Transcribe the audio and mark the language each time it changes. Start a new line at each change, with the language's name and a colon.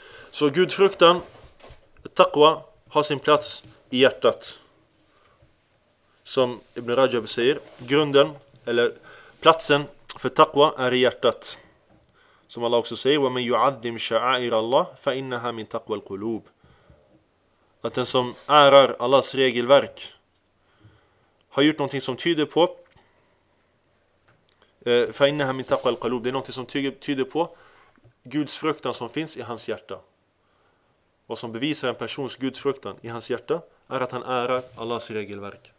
Swedish: Så Guds fruktan, taqwa, har sin plats i hjärtat. Som Ibn Rajab säger, grunden eller platsen för taqwa är i hjärtat. Som Allah också säger,
Arabic: وَمَنْ يُعَذِّمْ شَعَائِرَ اللَّهِ فَإِنَّهَا مِنْ تَقْوَى الْقُلُوبِ.
Swedish: Att den som ärar Allahs regelverk har gjort någonting som tyder på
Arabic: فَإِنَّهَا مِنْ تَقْوَى الْقُلُوبِ.
Swedish: Det är någonting som tyder på Guds fruktan som finns i hans hjärta. Vad som bevisar en persons Guds fruktan i hans hjärta är att han ärar Allahs regelverk.